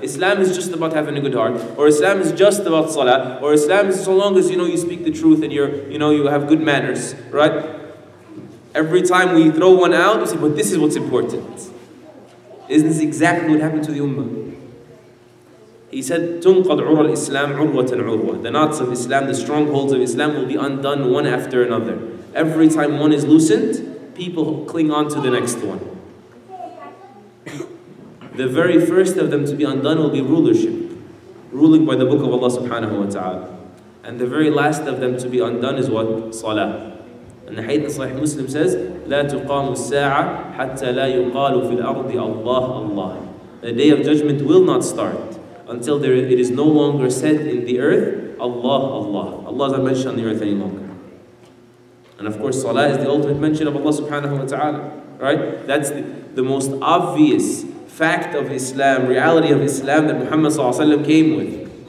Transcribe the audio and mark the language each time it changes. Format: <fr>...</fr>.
<en>Islam is just about having a good heart, or Islam is just about salah, or Islam is so long as you know you speak the truth and you have good manners, right? Every time we throw one out, we say, but this is what's important. Isn't this exactly what happened to the Ummah?</en> <ar>He said, تُنْقَدْ عُرَى الْإِسْلَامِ عُرْوَةً عُرْوَةً.</ar> <en>The knots of Islam, the strongholds of Islam will be undone one after another. Every time one is loosened, people cling on to the next one. The very first of them to be undone will be rulership, ruling by the book of Allah subhanahu wa ta'ala. And the very last of them to be undone is what? Salah.</en> <ar>And the hadith in Sahih Muslim says, لَا تُقَامُ السَّاعَةَ حَتَّى لَا يُقَالُ فِي الْأَرْضِ اللَّهُ اللَّهُ.</ar> <en>The day of judgment will not start until it is no longer said in the earth, Allah, Allah. Allah is not mentioned on the earth any longer. And of course, salah is the ultimate mention of Allah subhanahu wa ta'ala. Right? That's the most obvious fact of Islam, reality of Islam that Muhammad sallallahu alayhi wa sallam came with.</en>